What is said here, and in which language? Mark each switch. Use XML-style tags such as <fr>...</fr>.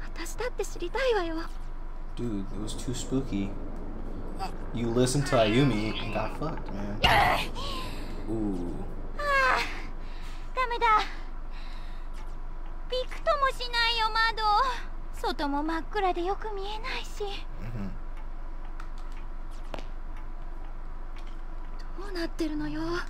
<ja>どったのじゃないわよ。心配させて。え?ここここどこ?何これ?私だって知りたいわよ。Dude,</ja> <en>it was too spooky. You listened to Ayumi and got fucked, man. Ooh.</en> <ja>ダメだ。びくともしないよ、窓。外も真っ暗でよく見えないし。なってるのよ。</ja>